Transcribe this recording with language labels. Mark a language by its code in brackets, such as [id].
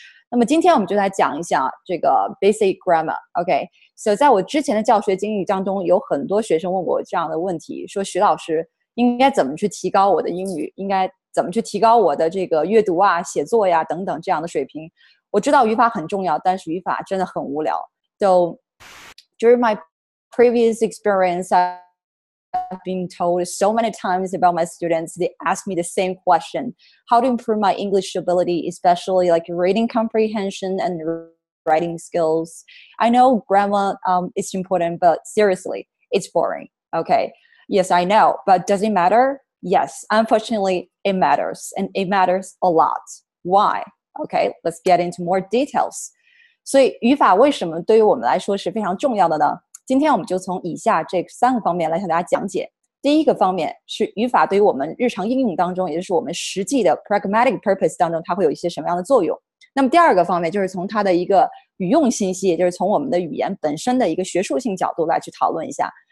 [zh] 那么今天我们就来讲一下这个 [en] basic grammar。 [zh] OK， so 在我之前的教学经历当中，有很多学生问过这样的问题，说徐老师应该怎么去提高我的英语，应该怎么去提高我的这个阅读啊、写作呀等等这样的水平。我知道语法很重要，但是语法真的很无聊。 [en] So during my previous experience, I've been told so many times about my students, they ask me the same question, how to improve my English ability, especially like reading comprehension and writing skills. I know grammar is important, but seriously, it's boring. Okay, yes, I know, but does it matter? Yes, unfortunately, it matters, and it matters a lot. Why? Okay, let's get into more details. [zh] 所以语法为什么对于我们来说是非常重要的呢？今天我们就从以下这三个方面来向大家讲解。第一个方面是语法对于我们日常应用当中，也就是我们实际的 [en] pragmatic purpose [zh] 当中，它会有一些什么样的作用。那么第二个方面就是从它的一个语用信息，也就是从我们的语言本身的一个学术性角度来去讨论一下。